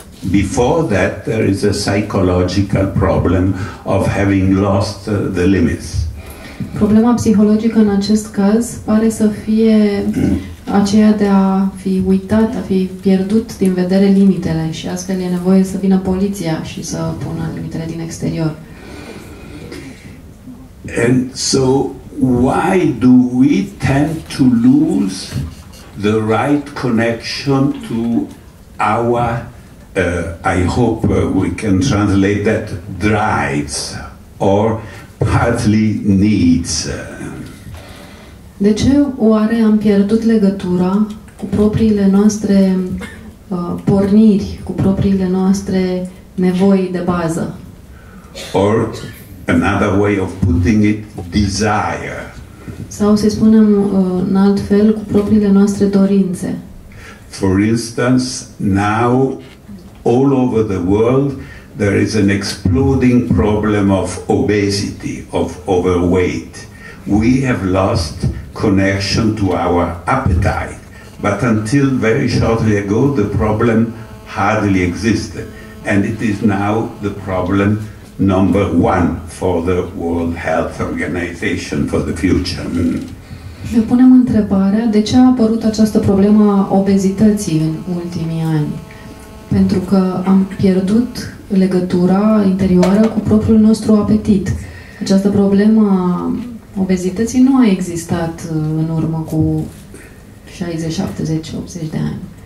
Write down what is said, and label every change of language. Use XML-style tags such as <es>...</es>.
<en>Before that, there is a psychological problem of having lost the limits.</en> <ro>Problema psihologică în acest caz pare să fie aceea de a fi uitat, a fi pierdut din vedere limitele și astfel e nevoie să vină poliția și să pună limitele din exterior.</ro> <en>And so why do we tend to lose the right connection to our, I hope we can translate that, drives or partly needs?</en> <ro>De ce oare am pierdut legătura cu propriile noastre porniri, cu propriile noastre nevoi de bază?</ro> <en>Or another way of putting it, desire.</en> <ro>Sau să spunem în alt fel, cu propriile noastre dorințe.</ro> <en>For instance, now all over the world there is an exploding problem of obesity, of overweight. We have lost connection to our appetite, but until very shortly ago the problem hardly existed, and it is now the problem number one for the World Health Organization for the future.</en> <ro>Ne punem întrebarea, de ce a apărut această problemă a obezității în ultimii ani? Pentru că am pierdut legătura interioară cu propriul nostru apetit. Această problemă a obezității nu a existat în urmă cu 60, 70, 80 de ani.</ro>